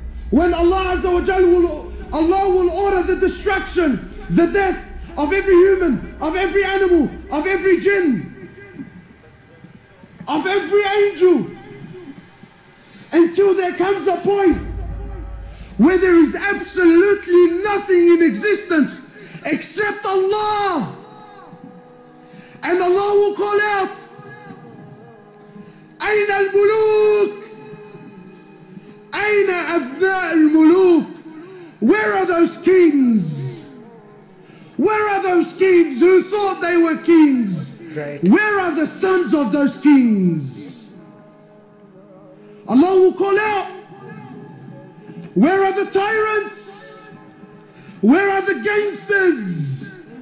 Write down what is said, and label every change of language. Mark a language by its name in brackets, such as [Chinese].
[English] when Allah Azza wa Jal will, Allah will order the destruction, the death of every human, of every animal, of every jinn, of every angel, until there comes a point where there is absolutely nothing in existence except Allah. And Allah will call out, [Arabic] أين الملوك؟ أين أبناء الملوك؟ [English] Where are those kings? Where are those kings who thought they were kings? Right. Where are the sons of those kings? Allah will call out, where are the tyrants? Where are the gangsters?